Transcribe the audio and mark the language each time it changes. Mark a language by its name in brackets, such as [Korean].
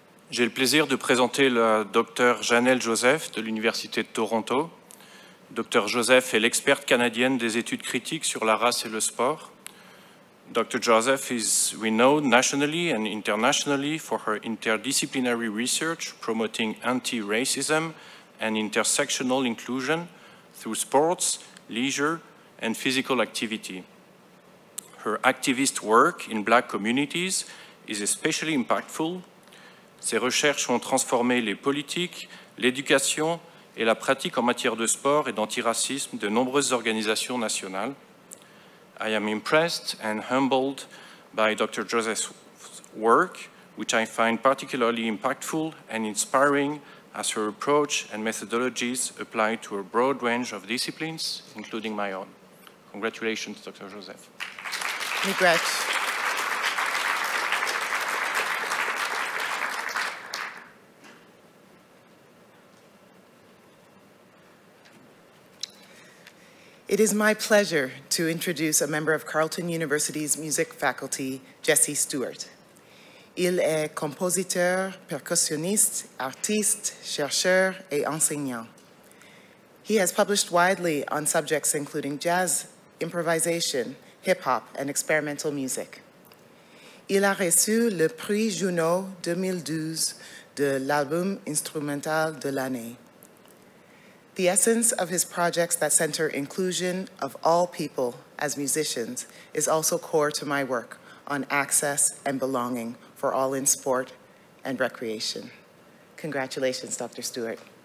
[French] J'ai le plaisir de présenter le docteur Janelle Joseph de l'Université de Toronto. Docteur Joseph est l'experte canadienne des études critiques sur la race et le sport. [English] Dr. Joseph is renowned nationally and internationally for her interdisciplinary research promoting anti-racism and intersectional inclusion through sports, leisure, and physical activity. Her activist work in black communities is especially impactful. [French] Ses recherches ont transformé les politiques, l'éducation et la pratique en matière de sport et d'antiracisme de nombreuses organisations nationales. [English] I am impressed and humbled by Dr. Joseph's work, which I find particularly impactful and inspiring as her approach and methodologies apply to a broad range of disciplines, including my own. Congratulations, Dr. Joseph. Congrats. It is my pleasure to introduce a member of Carleton University's music faculty, Jesse Stewart. [French] Il est compositeur, percussionniste, artiste, chercheur et enseignant. [English] He has published widely on subjects including jazz, improvisation, hip-hop, and experimental music. [French] Il a reçu le prix Juno 2012 de l'album instrumental de l'année. [English] The essence of his projects that center inclusion of all people as musicians is also core to my work on access and belonging for all in sport and recreation. Congratulations, Dr. Stewart.